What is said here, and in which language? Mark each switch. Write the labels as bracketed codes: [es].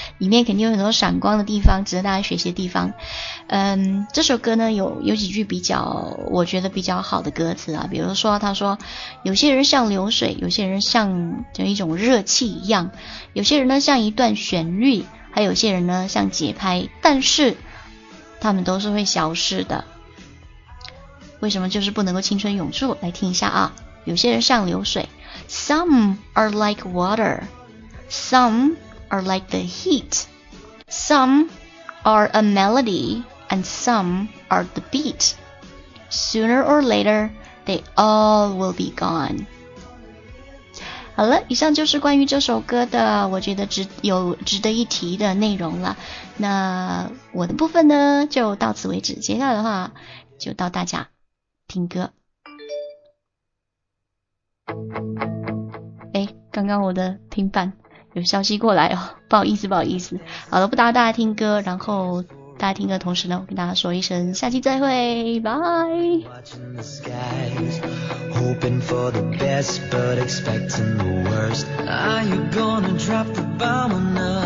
[zh] 里面肯定有很多闪光的地方，值得大家学习的地方。这首歌呢有几句比较我觉得比较好的歌词啊，比如说他说，有些人像流水，有些人像就一种热气一样，有些人呢像一段旋律，还有些人呢像节拍，但是他们都是会消失的。为什么就是不能够青春永驻？来听一下啊。有些人像流水， [en] Some are like water, Some are like the heat, Some are a melody, And some are the beat. Sooner or later, They all will be gone. [zh] 好了，以上就是关于这首歌的我觉得值得一提的内容了。那我的部分呢就到此为止，接下来的话就到大家听歌。哎，刚刚我的平板有消息过来哦，不好意思。好了，不打扰大家听歌，然后大家听歌的同时呢，我跟大家说一声下期再会，拜。 [en] Watching the skies, hoping for the best, but expecting the worst. Are you gonna drop the bomb or not?